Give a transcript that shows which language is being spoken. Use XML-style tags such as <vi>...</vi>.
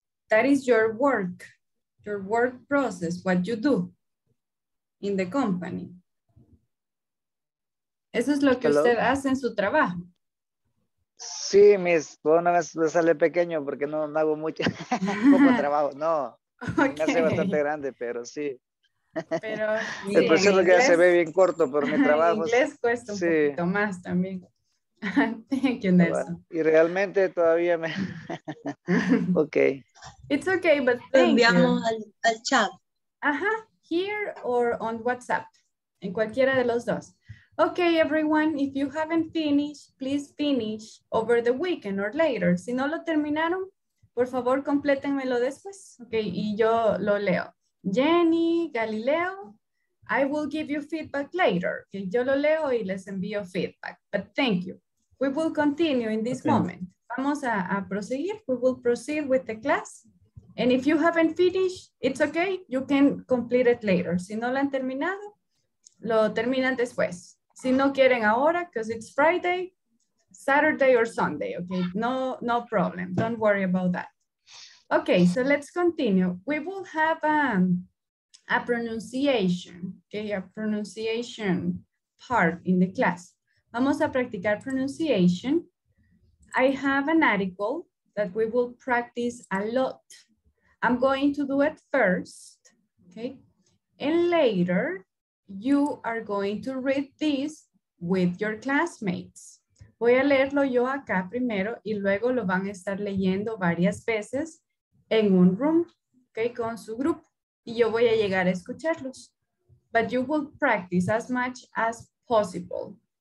<en>That is your work process, what you do in the company.</en> <es>Eso es lo que usted hace en su trabajo. Sí, mis, bueno, me sale pequeño porque no hago mucho trabajo. No, okay. Me hace bastante grande, pero sí. Pero el proceso inglés, que ya se ve bien corto, pero mi trabajo. En inglés cuesta un poquito más también.</es> <en>Thank you, Nelson.</en> <es>Y realmente todavía me. Ok.</es> <en>It's okay, but</en> <es>lo enviamos al chat. Ajá,</es> <en>here or on WhatsApp.</en> <es>En cualquiera de los dos.</es> <en>Okay, everyone, if you haven't finished, please finish over the weekend or later.</en> <es>Si no lo terminaron, por favor, complétenmelo después. Okay, y yo lo leo.</es> <en>Jenny, Galileo, I will give you feedback later. Okay,</en> <es>yo lo leo y les envío feedback.</es> <en>But thank you. We will continue in this moment.</en> <es>Vamos a proseguir.</es> <en>We will proceed with the class. And if you haven't finished, it's okay. You can complete it later.</en> <es>Si no lo han terminado, lo terminan después. Si no quieren ahora,</es> <en>because it's Friday, Saturday or Sunday. Okay, no problem. Don't worry about that. Okay, so let's continue. We will have a pronunciation, okay, a pronunciation part in the class.</en> <es>Vamos a practicar pronunciation.</es> <en>I have an article that we will practice a lot. I'm going to do it first, okay? And later, you are going to read this with your classmates.</en> <es>Voy a leerlo yo acá primero y luego lo van a estar leyendo varias veces en un room, okay, con su grupo. Y yo voy a llegar a escucharlos.</es> <en>But you will practice as much as possible.</en>